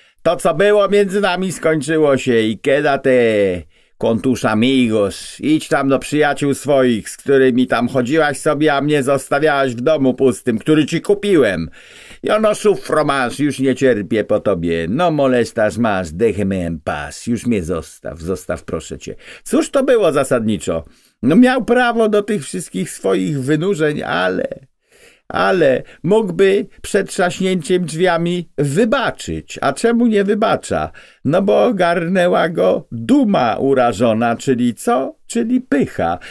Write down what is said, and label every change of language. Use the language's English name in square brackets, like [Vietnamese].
[Polish] To, co było między nami, skończyło się. [Spanish] I quédate con tus amigos. Idź tam do przyjaciół swoich, z którymi tam chodziłaś sobie, a mnie zostawiałaś w domu pustym, który ci kupiłem. Yo no sufro más, [Polish] już nie cierpię po tobie. [Spanish] No molestas más, déjeme en paz. [Polish] Już mnie zostaw, zostaw proszę cię. Cóż to było zasadniczo? No miał prawo do tych wszystkich swoich wynurzeń, ale... Ale mógłby przed trzaśnięciem drzwiami wybaczyć. A czemu nie wybacza? No bo ogarnęła go duma urażona, czyli co? Czyli pycha.